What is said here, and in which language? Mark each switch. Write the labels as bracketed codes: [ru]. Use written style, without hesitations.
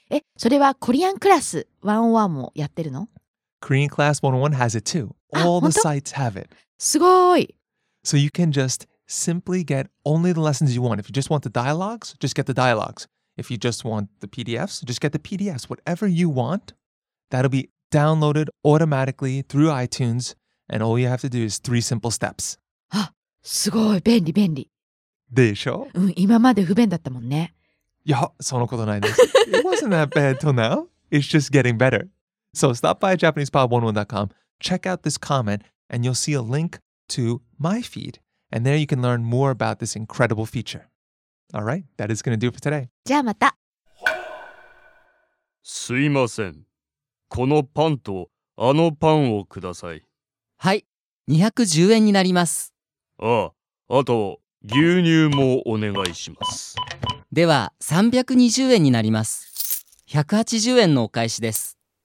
[ja] え、それはコリアンクラス101もやってるの? [en] Korean Class 101 has it too. All the sites have it. [ja] すごい。 [en] So you can just simply get only the lessons you want. If you just want the dialogues, just get the dialogues. If you just want the PDFs, just get the PDFs. Whatever you want, that'll be downloaded automatically through iTunes. And all you have to do is three simple steps. [ja] あ、すごい、便利便利。でしょ? うん、今まで不便だったもんね。いや、そのことないです。 [en] It wasn't that bad till now. It's just getting better. So stop by JapanesePod101.com, check out this comment, and you'll see a link to my feed. And there you can learn more about this incredible feature. All right, that is going to do it for today. [ja] じゃあまた。すいません。このパンとあのパンをください。はい、210円になります。ああ、あと牛乳もお願いします。では320円になります。180円のお返しです。